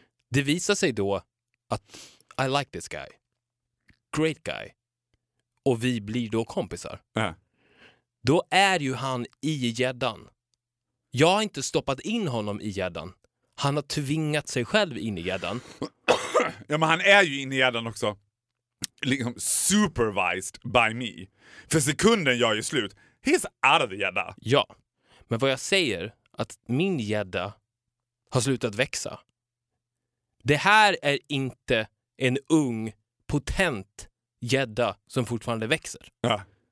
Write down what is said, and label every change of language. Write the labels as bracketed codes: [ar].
[sv] Det visar sig då att [en] I like this guy. Great guy. [sv] Och vi blir då kompisar. då är ju han i gäddan. Jag har inte stoppat in honom i gäddan. Han har tvingat sig själv in i gäddan. Ja, men han är ju in i gäddan också. [en] Liksom supervised by me. [sv] För sekunden jag är slut, [en] he's out of the [sv] gädda. Ja, men vad jag säger, att min gädda har slutat växa. Det här är inte en ung, potent gädda som fortfarande växer. Ja.